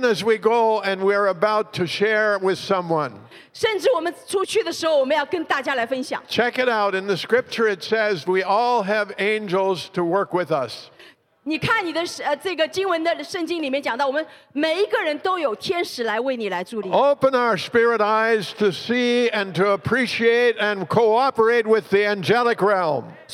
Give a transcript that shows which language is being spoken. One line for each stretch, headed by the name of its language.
English: as we go and we are about to share with someone.
Chinese: 甚至我们出去的时候，我们要跟大家来分享。
English: Check it out. In the scripture, it says we all have angels to work with us.
Chinese: 你看你的这个经文的圣经里面讲到，我们每一个人都有天使来为你来助力。
English: Open our spirit eyes to see and to appreciate and cooperate with the angelic realm.